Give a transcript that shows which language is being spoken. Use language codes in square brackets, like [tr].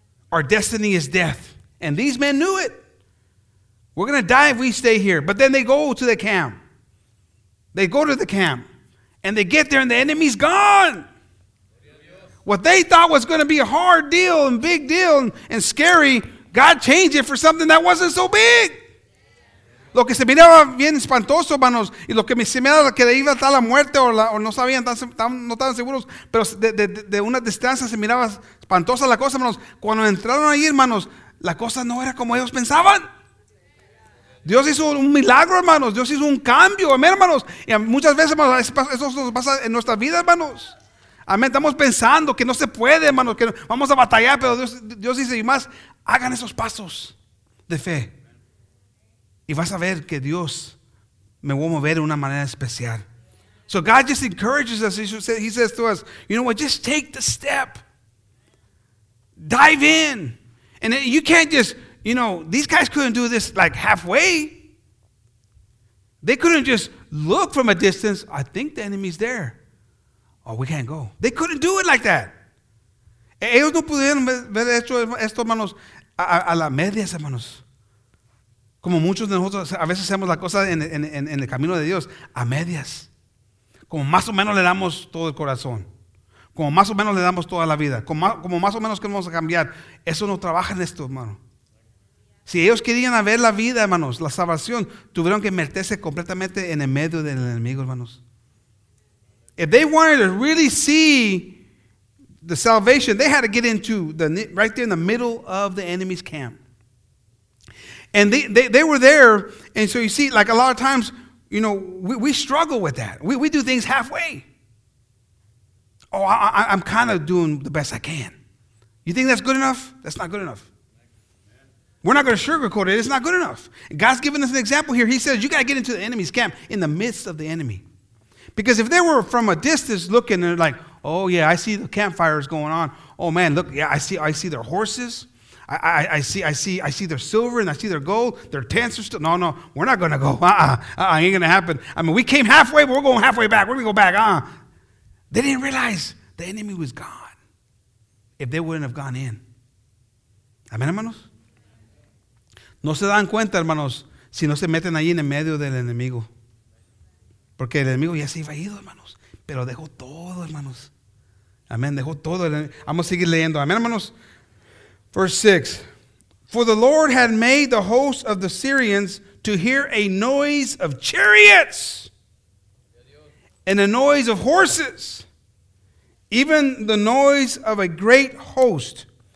[en] Our destiny is death. And these men knew it. We're going to die if we stay here. But then they go to the camp. They go to the camp and they get there and the enemy's gone. What they thought was going to be a hard deal and big deal and scary, God changed it for something that wasn't so big. [es] Lo que se miraba bien espantoso, hermanos, y lo que se miraba que le iba a estar la muerte o no sabían, no estaban seguros, pero de una distancia se miraba espantosa la cosa, hermanos. Cuando entraron ahí, hermanos, la cosa no era como ellos pensaban. Dios hizo un milagro, hermanos. Dios hizo un cambio, amén, hermanos. Y muchas veces, hermanos, eso nos pasa en nuestra vida, hermanos. Amén. Estamos pensando que no se puede, hermanos, que vamos a batallar, pero Dios dice, y más, hagan esos pasos de fe. Y vas a ver que Dios me va a mover de una manera especial. [en] So God just encourages us. He says to us, you know what, just take the step. Dive in. And you can't just, you know, these guys couldn't do this like halfway. They couldn't just look from a distance. I think the enemy's there. Oh, we can't go. They couldn't do it like that. [es] Ellos no pudieron haber hecho esto, hermanos, a las medias, hermanos. Como muchos de nosotros a veces hacemos la cosa en el camino de Dios, a medias. Como más o menos le damos todo el corazón. Como más o menos le damos toda la vida. Como más o menos queremos cambiar. Eso no trabaja en esto, hermano. Si ellos querían ver la vida, hermanos, la salvación, tuvieron que meterse completamente en el medio del enemigo, hermanos. [en] If they wanted to really see the salvation, they had to get into right there in the middle of the enemy's camp. And they were there, and so you see, like a lot of times, you know, we struggle with that. We do things halfway. Oh, I'm kind of doing the best I can. You think that's good enough? That's not good enough. We're not going to sugarcoat it. It's not good enough. God's giving us an example here. He says, you got to get into the enemy's camp in the midst of the enemy. Because if they were from a distance looking, they're like, oh, yeah, I see the campfires going on. Oh, man, look, yeah, I see their horses. I see their silver and I see their gold. Their tents are still, no, we're not going to go. Uh-uh, ain't going to happen. I mean, we came halfway, but we're going halfway back. We're going to go back, They didn't realize the enemy was gone if they wouldn't have gone in. [es] Amen, hermanos? No se dan cuenta, hermanos, si no se meten ahí en el medio del enemigo. Porque el enemigo ya se iba ido, hermanos. Pero dejó todo, hermanos. Amen. Dejó todo. Vamos a seguir leyendo. Amen, hermanos. [en] Verse 6. For the Lord had made the host of the Syrians to hear a noise of chariots and a noise of horses, even the noise of a great host.